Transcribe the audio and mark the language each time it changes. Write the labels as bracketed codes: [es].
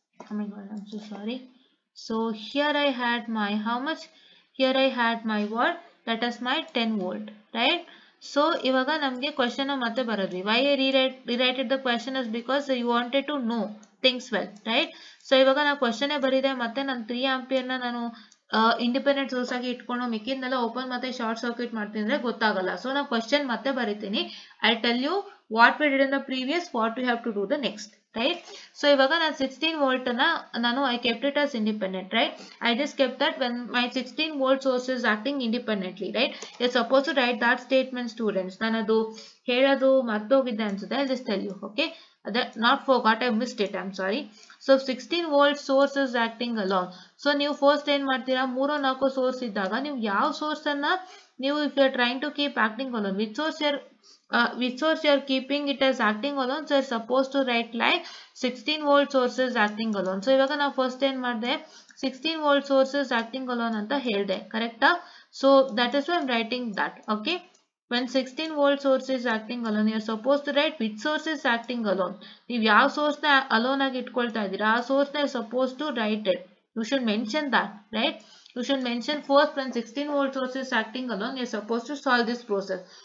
[en] Oh my god, I'm so sorry. So here I had my how much? Here I had my what? That is my 10 volt, right? [kn] So ivaga namge question matte baradvi. [en] Why I rewrite the question is because you wanted to know things well, right? [kn] So ivaga na question e baride matte nan 3 ampere na nanu independent source ಆಗಿ ಇಟ್ಕೊಂಡು ಮಿಕ್ಕಿದ್ನೆಲ್ಲ open ಮತ್ತೆ short circuit ಮಾಡ್ತೀನಿ ಅಂದ್ರೆ ಗೊತ್ತಾಗಲ್ಲ. So ನಾವು question ಮತ್ತೆ ಬರಿತೀನಿ. [en] I tell you what we did in the previous, what you have to do the next, right? [kn] So ಇವಾಗ ನಾನು 16 volt ನಾನು [en] I kept it as independent, right? I just kept that when my 16 volt source is acting independently, right? You suppose to write that statement students. [kn] ನಾನು ಅದು ಹೇಳೋದು ಮರ್ತೋಗಿದ್ದೆ ಅನ್ಸುತ್ತೆ, [en] I just tell you, okay? That not forgot I missed it, I am sorry. So 16 volt source is acting alone. [kn] So ನೀವು first ಏನ್ ಮಾಡ್ತೀರಾ, 3 or 4 source ಇದ್ದಾಗ ನೀವು ಯಾವ ಸೋರ್ಸ್ ಅನ್ನ ನೀವು [en] If you are trying to keep acting alone, which source you are keeping it as acting alone, so you are suppose to write like 16 volt source is acting alone. [kn] So ಇವಾಗ ನಾವು first ಏನ್ ಮಾಡಿದೆ, 16 volt [en] source is acting alone [kn] ಅಂತ ಹೇಳಿದೆ, ಕರೆಕ್ಟಾ? [en] So that is why am writing that, okay? When 16 volt source is acting alone, you are supposed to write which source is acting alone. [kn] If your source na alone agi itkolta idira, aa source na [en] supposed to write it. You should mention that, right? You should mention first when 16 volt source is acting alone, you are supposed to solve this process.